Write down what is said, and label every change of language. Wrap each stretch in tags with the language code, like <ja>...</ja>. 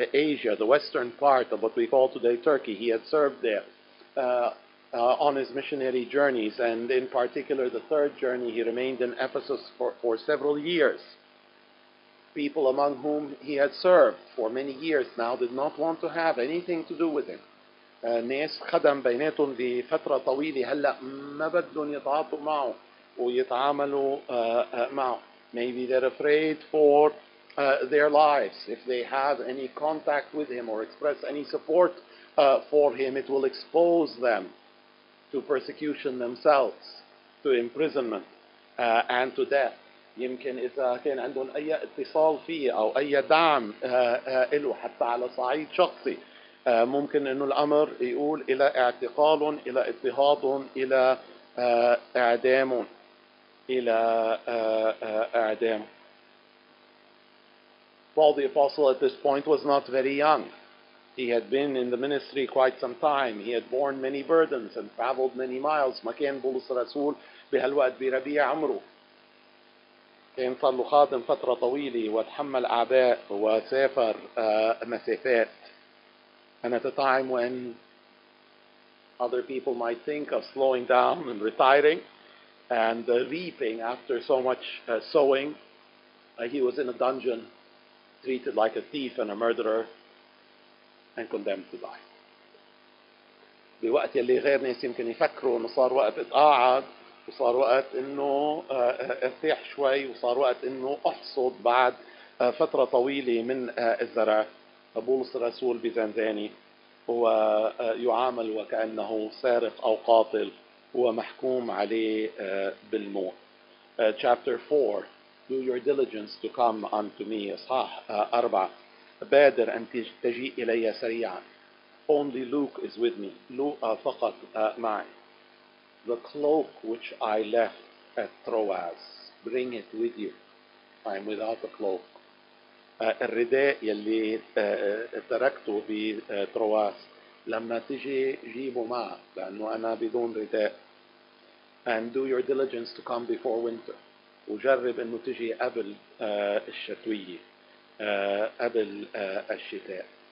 <en>Asia, the western part of what we call today Turkey, he had served there on his missionary journeys, and in particular the third journey he remained in Ephesus for several years. People among whom he had served for many years now did not want to have anything to do with him.</en> <ar>ناس خدم بيناتهم لفترة طويلة هلأ ما بدهم يتعاطوا معه, ويتعاملوا معه.</ar> <en>Maybe they're afraid for their lives. If they have any contact with him or express any support for him, it will expose them to persecution themselves, to imprisonment and to death.</en> <ar>يمكن إذا كان عندهم أي اتصال فيه أو أي دعم له حتى على صعيد شخصي ممكن إنه الأمر يقول إلى اعتقال إلى اضطهاد إلى إعدام إلى إعدام.</ar> <en>Paul the apostle at this point was not very young. He had been in the ministry quite some time. He had borne many burdens and traveled many miles.</en> <ar>ما كان بولس الرسول بهالوقت بربيع عمره. كان صار له خادم فترة طويلة وتحمل أعباء وسافر مسافات.</ar> <en>And at a time when other people might think of slowing down and retiring and reaping after so much sowing, he was in a dungeon, treated like a thief and a murderer, and condemned to die.</en> <ar>بوقت يلي غير ناس يمكن يفكروا انه صار وقت اتقاعد وصار وقت انه ارتاح شوي وصار وقت انه احصد بعد فتره طويله من الزرع, بولس الرسول بزنزاني هو يعامل وكانه سارق او قاتل ومحكوم عليه بالموت.</ar> <en>Chapter 4, do your diligence to come unto me.</en> <ar>اصحاح 4, بادر ان تجيء الي سريعا.</ar> <en>Only Luke is with me.</en> <ar>Luke فقط معي.</ar> <en>The cloak which I left at Troas, bring it with you. I'm without a cloak.</en> <ar>الرداء يلي تركته بترواس لما تجي جيبه معك لأنه أنا بدون رداء.</ar> <en>And do your diligence to come before winter.</en> <ar>وجرب أنه تجي قبل الشتوية قبل الشتاء.</ar>